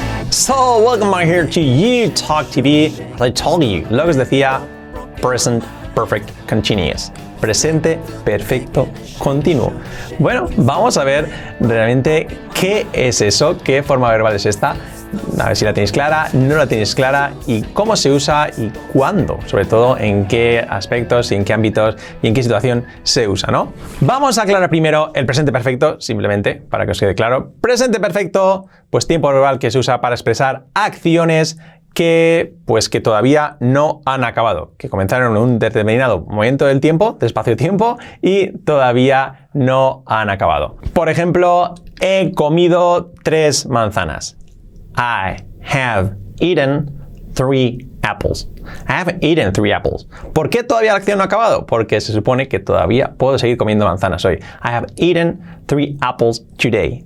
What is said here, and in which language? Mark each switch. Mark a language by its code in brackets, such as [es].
[en] So, welcome back here to You Talk TV. As I told you, [es] lo que os decía, [en] present perfect continuous. [es] Presente perfecto continuo. Bueno, vamos a ver realmente qué es eso, qué forma verbal es esta. A ver si la tenéis clara, no la tenéis clara y cómo se usa y cuándo, sobre todo en qué aspectos y en qué ámbitos y en qué situación se usa, ¿no? Vamos a aclarar primero el presente perfecto, simplemente para que os quede claro. Presente perfecto, pues tiempo verbal que se usa para expresar acciones que todavía no han acabado, que comenzaron en un determinado momento del tiempo, de espacio-tiempo, y todavía no han acabado. Por ejemplo, he comido 3 manzanas. [en] I have eaten 3 apples. I have eaten 3 apples. [es] ¿Por qué todavía la acción no ha acabado? Porque se supone que todavía puedo seguir comiendo manzanas hoy. [en] I have eaten 3 apples today.